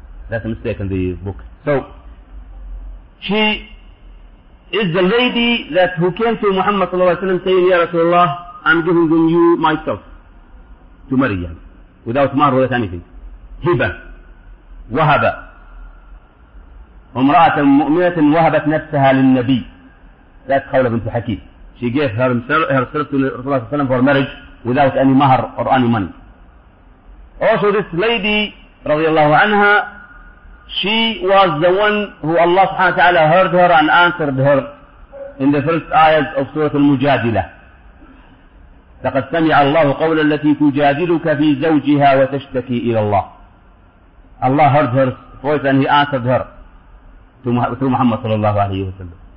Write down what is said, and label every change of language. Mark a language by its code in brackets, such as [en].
[en] That's a mistake in the book. So, she is the lady that who came to Muhammad sallallahu alayhi wa sallam saying, ya Rasulullah, I'm giving you myself to Maryam, without mahr, without anything. Hiba, wahaba. [ar] امرأة مؤمنة وهبت نفسها للنبي. [en] That's Hawla bint Hakim. She gave herself to Rasulullah SAW for marriage without any mahr or any money. Also this lady, [ar] رضي الله عنها, [en] she was the one who Allah [ar] سبحانه وتعالى [en] heard her and answered her in the first ayahs of Surah المجادلة. [ar] لقد سمع الله قول التي تجادلك في زوجها وتشتكي إلى الله. [en] Allah heard her voice and he answered her to Muhammad sallallahu alayhi wa sallam.